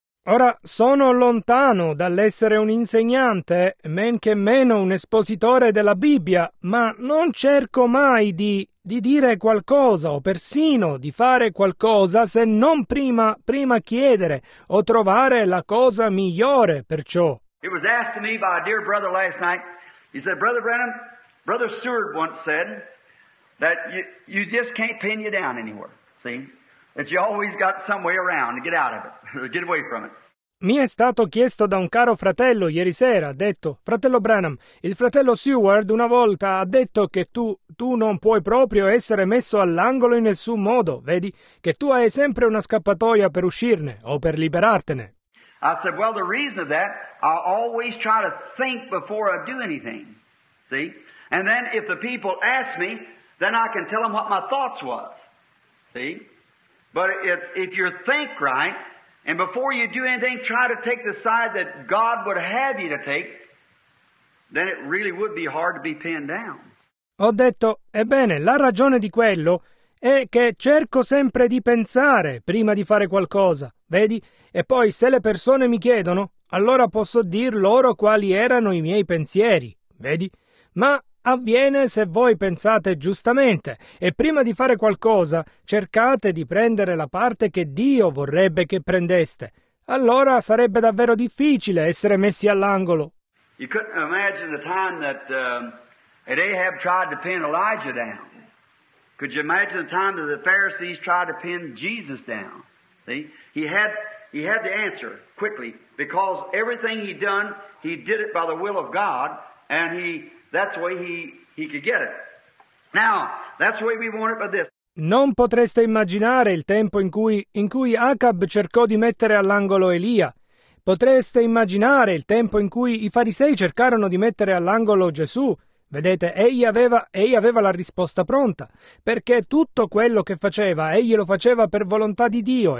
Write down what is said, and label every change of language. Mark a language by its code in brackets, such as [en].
[it] Ora, sono lontano dall'essere un insegnante, men che meno un espositore della Bibbia, ma non cerco mai di dire qualcosa o persino di fare qualcosa se non prima chiedere o trovare la cosa migliore per ciò. [en] It was asked to me by a dear brother last night. He said, Brother Branham, Brother Seward once said that you just can't pin you down anywhere, see? That you always got some way around to get out of it, get away from it. [it] Mi è stato chiesto da un caro fratello ieri sera, ha detto, fratello Branham, il fratello Seward una volta ha detto che tu non puoi proprio essere messo all'angolo in nessun modo, vedi, che tu hai sempre una scappatoia per uscirne o per liberartene. [en] I said, well, the reason of that, I always try to think before I do anything, see? And then if the people ask me, then I can tell them what my thoughts was, see? But it's, if you think right, and before you do anything, try to take the side that God would have you to take, then it really would be hard to be pinned down. [it] Ho detto, ebbene, la ragione di quello è che cerco sempre di pensare prima di fare qualcosa, vedi? E poi se le persone mi chiedono, allora posso dir loro quali erano i miei pensieri, vedi? Ma avviene se voi pensate giustamente e prima di fare qualcosa cercate di prendere la parte che Dio vorrebbe che prendeste. Allora sarebbe davvero difficile essere messi all'angolo. [en] You couldn't imagine the time that Ahab tried to pin Elijah down. Could you imagine the time that the Pharisees tried to pin Jesus down? See? He had the answer quickly because everything he'd done, he did it by the will of God and he... That's the way he could get it. Now, that's the way we want it by this. [it] Non potreste immaginare il tempo in cui Acab cercò di mettere all'angolo Elia. Potreste immaginare il tempo in cui i farisei cercarono di mettere all'angolo Gesù. Vedete, egli aveva la risposta pronta. Perché tutto quello che faceva, egli lo faceva per volontà di Dio.